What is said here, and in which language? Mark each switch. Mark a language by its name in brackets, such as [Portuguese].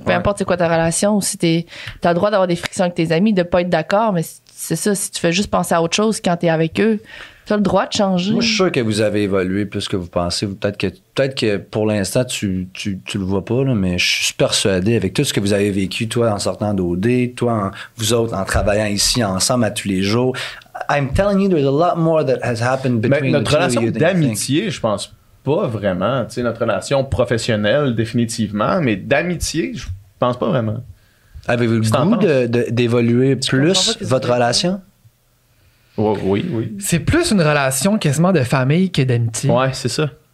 [French] Peu importe c'est quoi ta relation ou si t'as le droit d'avoir des frictions avec tes amis, de pas être d'accord, mais c'est ça, si tu fais juste penser à autre chose quand t'es avec eux, t'as le droit de changer. Moi, je suis sûr que vous avez évolué plus que vous pensez. Peut-être que pour l'instant, tu le vois pas, là, mais je suis persuadé avec tout ce que vous avez vécu, toi en sortant d'OD, toi, vous autres, en travaillant ici ensemble à tous les jours. [English] I'm telling you, there's a lot more that has happened between the two. [French] Notre relation d'amitié, je pense pas vraiment. Tu sais, notre relation professionnelle, définitivement, mais d'amitié, je pense pas vraiment. Avez-vous le goût d'évoluer plus votre relation? Oui, oui. C'est plus une relation quasiment de famille que d'amitié. Ouais, c'est ça.